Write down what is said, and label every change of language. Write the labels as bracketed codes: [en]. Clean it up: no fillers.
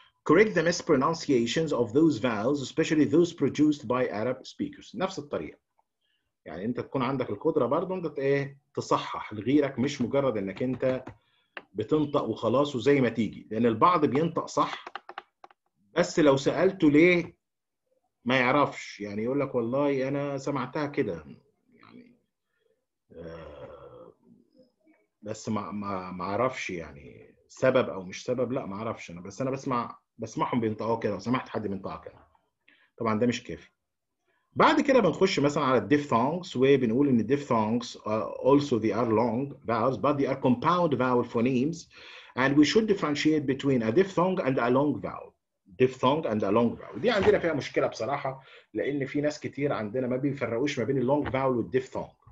[en] correct the mispronunciations of those vowels especially those produced by arab speakers [ar] نفس الطريقه يعني انت تكون عندك القدره برضه انت ايه تصحح لغيرك مش مجرد انك انت بتنطق وخلاص وزي ما تيجي لان البعض بينطق صح بس لو سالته ليه ما يعرفش يعني يقول لك والله انا سمعتها كده يعني بس ما اعرفش يعني سبب او مش سبب لا ما اعرفش انا بس انا بسمعهم بينطقوا كده وسمعت حد بينطق كده طبعا ده مش كافي. بعد كده بنخش مثلا على الديفثونجز، وبنقول ان الديفثونجز [en] also they are long vowels but they are compound vowel phonemes and we should differentiate between a diphthong and a long vowel. Diphthong and a long vowel. [ar] دي عندنا فيها مشكلة بصراحة، لأن في ناس كتير عندنا ما بيفرقوش ما بين اللونج فاول والديفثونج.